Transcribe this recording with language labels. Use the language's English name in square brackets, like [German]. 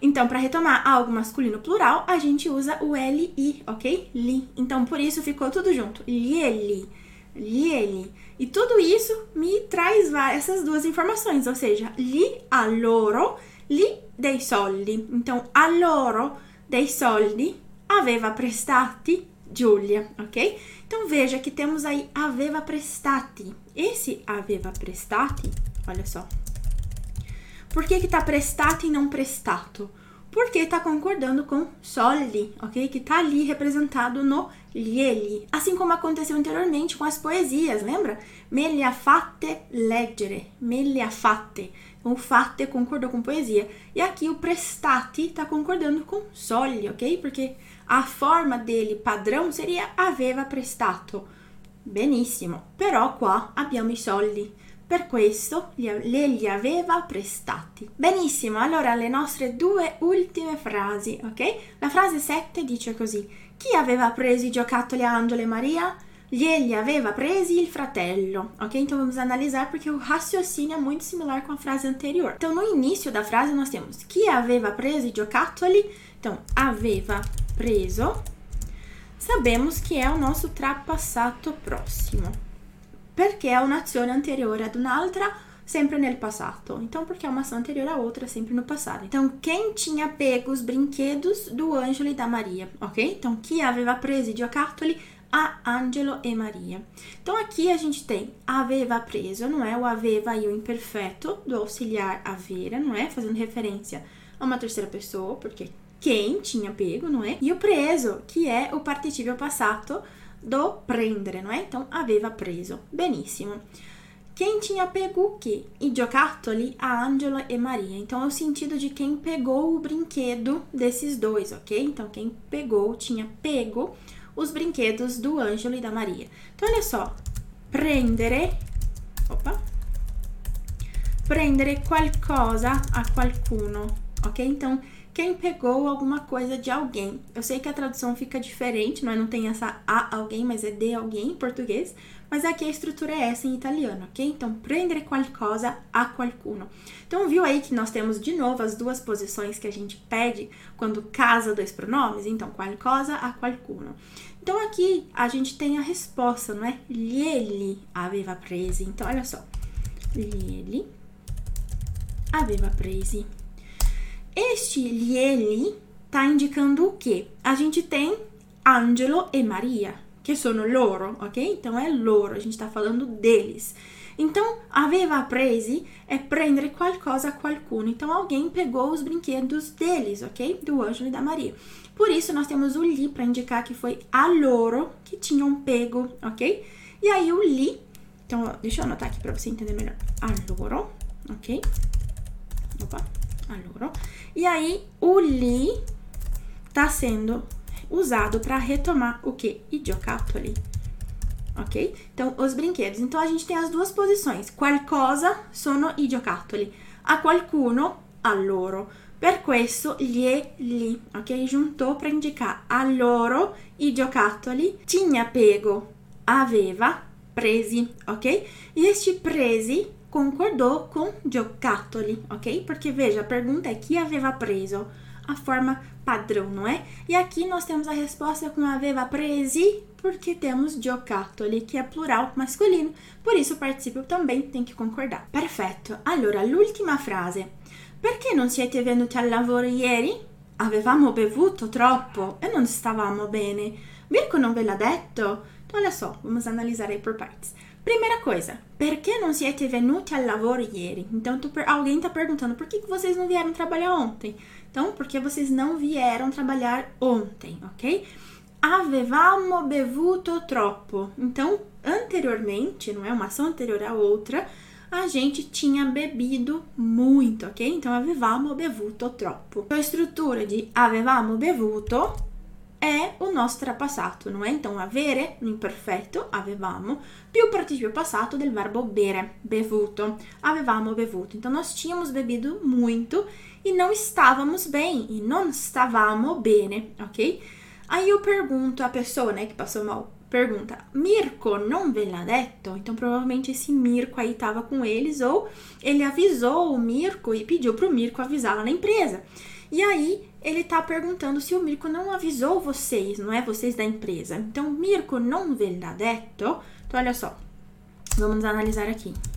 [Portuguese] Então, para retomar algo masculino plural, a gente usa o LI, ok? Li. Então, por isso ficou tudo junto. Lieli. Lieli. E tudo isso me traz essas duas informações, ou seja, [Italian] li a loro, li dei soldi. Então, a loro dei soldi aveva prestati Giulia, ok? [Portuguese] Então veja que temos aí aveva prestati. Esse aveva prestati, olha só. Por que que tá prestati e não prestato? Porque tá concordando com soldi, ok? Que tá ali representado no lieli. Assim como aconteceu anteriormente com as poesias, lembra? [Italian] Me le ha fatte leggere, me le ha fatte. [Portuguese] O fatte concordou com poesia. E aqui o prestati está concordando com soli, ok? Porque a forma dele padrão seria aveva prestato. Benissimo. [Italian] Però qua abbiamo i soli. Per questo lei li aveva prestati. Benissimo. Allora le nostre due ultime frasi, ok? La frase 7 dice così. Chi aveva preso i giocattoli a Angelo e Maria? Gli aveva presi il fratello, ok? [Portuguese] Então vamos analisar porque o raciocínio é muito similar com a frase anterior. Então no início da frase nós temos [Italian] chi aveva preso i giocattoli, então aveva preso, [Portuguese] sabemos que é o nosso [Italian] trapassato prossimo, perché è un'azione anteriore ad un'altra sempre nel passado. [Portuguese] Então, porque é uma ação anterior à outra, sempre no passado. Então, quem tinha pego os brinquedos do Ângelo e da Maria, ok? [Italian] Então, chi aveva preso i giocattoli a Angelo e Maria. [Portuguese] Então, aqui a gente tem aveva preso, não é? O aveva e o imperfeito do auxiliar avere, não é? Fazendo referência a uma terceira pessoa, porque quem tinha pego, não é? E o preso, que é o participio passato do prendere, não é? Então, aveva preso. Benissimo. Quem tinha pego o quê? [Italian] I giocattoli a Angelo e Maria. [Portuguese] Então, é o sentido de quem pegou o brinquedo desses dois, ok? Então, quem pegou, tinha pego os brinquedos do Ângelo e da Maria. Então, olha só. Prendere. Opa. [Italian] Prendere qualcosa a qualcuno, ok? [Portuguese] Então, quem pegou alguma coisa de alguém. Eu sei que a tradução fica diferente, não é? Não tem essa a alguém, mas é de alguém em português. Mas aqui a estrutura é essa em italiano, ok? [Italian] Então, prendere qualcosa a qualcuno. [Portuguese] Então, viu aí que nós temos de novo as duas posições que a gente pede quando casa dois pronomes? [Italian] Então, qualcosa a qualcuno. [Portuguese] Então, aqui a gente tem a resposta, não é? [Italian] Gli aveva presi. Então, olha só. Gli aveva presi. [Portuguese] Este gli tá indicando o quê? A gente tem Angelo e Maria, que [Italian] sono loro, [Portuguese] ok? Então é loro, a gente tá falando deles. [Italian] Então, aveva presi é prendere qualcosa a qualcuno. [Portuguese] Então, alguém pegou os brinquedos deles, ok? Do Angelo e da Maria. Por isso, nós temos o gli para indicar que foi a loro que tinham pego, ok? E aí, o gli, então, deixa eu anotar aqui para você entender melhor. A loro, ok? Opa, a loro. E aí, o gli tá sendo usado para retomar o quê? [Italian] I giocattoli. [Portuguese] Ok? Então, os brinquedos. Então, a gente tem as duas posições. [Italian] Qualcosa sono i giocattoli. A qualcuno, a loro. Per questo, gli. Ok? [Portuguese] Juntou para indicar [Italian] a loro i giocattoli. [Portuguese] Tinha pego, aveva, presi. Ok? E este presi concordou com giocattoli. Ok? Porque, veja, a pergunta é chi aveva preso. A forma padrão, não é? E aqui nós temos a resposta com aveva presi, porque temos giocattoli, que é plural masculino. Por isso, o participio também tem que concordar. Perfeito. [Italian] Allora, l'ultima frase. Perché non siete venuti al lavoro ieri? Avevamo bevuto troppo e non stavamo bene. Mirko non ve l'ha detto? [Portuguese] Então, olha só, vamos analisar aí por partes. Primeira coisa, [Italian] perché non siete venuti al lavoro ieri? [Portuguese] Então, alguém tá perguntando, por que vocês não vieram trabalhar ontem? Então, porque vocês não vieram trabalhar ontem, ok? [Italian] Avevamo bevuto troppo. [Portuguese] Então, anteriormente, não é uma ação anterior à outra, a gente tinha bebido muito, ok? [Italian] Então, avevamo bevuto troppo. [Portuguese] Então, a estrutura de avevamo bevuto é o nosso trapassato, não é? Então, avere, no imperfeito, avevamo, [Italian] più participio passato del verbo bere, [Portuguese] bevuto. [Italian] Avevamo bevuto. [Portuguese] Então, nós tínhamos bebido muito e não estávamos bem, [Italian] e non stavamo bene, [Portuguese] ok? Aí eu pergunto a pessoa, né, que passou mal, pergunta, [Italian] Mirko non ve l'ha detto? [Portuguese] Então, provavelmente esse Mirko aí estava com eles, ou ele avisou o Mirko e pediu pro Mirko avisá-la na empresa. E aí, ele tá perguntando se o Mirko não avisou vocês, não é vocês da empresa. [Italian] Então, Mirko non ve l'ha detto? [Portuguese] Então, olha só, vamos analisar aqui.